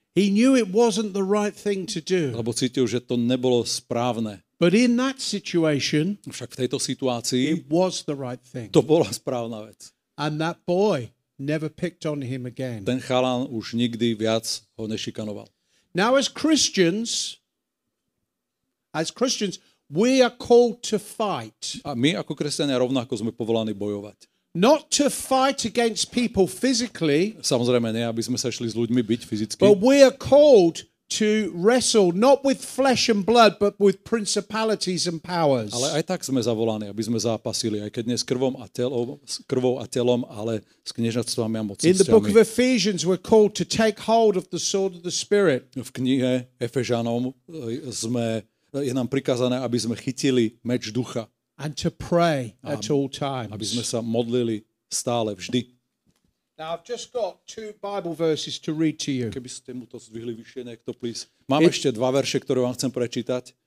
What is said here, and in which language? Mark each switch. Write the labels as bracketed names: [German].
[English] He knew it wasn't the right thing to do. [Slovak] Lebo cítil, že to nebolo správne. [English] But in that situation, [Slovak] však v tejto situácii, [English] it was the right thing. [Slovak] To bola správna vec. [English] And that boy never picked on him again. [Slovak] Ten chalan už nikdy viac ho nešikanoval. [English] Now as Christians, we are called to fight. [Slovak] A my ako kresťania rovnako sme povolaní bojovať. [English] Not to fight against people physically. [Slovak] Samozrejme nie, aby sme sa šli s ľuďmi byť fyzicky. [English] But we are called to wrestle not with flesh and blood but with principalities and powers. [Slovak] Ale aj tak sme zavolaní, aby sme zápasili, aj keď nie s krvou a telom, ale s kniežatstvami a mocnosťami. [English] In the book of Ephesians we're called to take hold of the sword of the spirit. [Slovak] V knihe Efežanom je nám prikázané, aby sme chytili meč ducha. [English] And to pray at all times. [Slovak] Aby sme sa modlili stále vždy. [English] Now I've just got two Bible verses to read to you. [Slovak] Keby ste mu to zdvihli vyššie, niekto, [English] please. [Slovak] Mám ešte dva verše, ktoré vám chcem prečítať.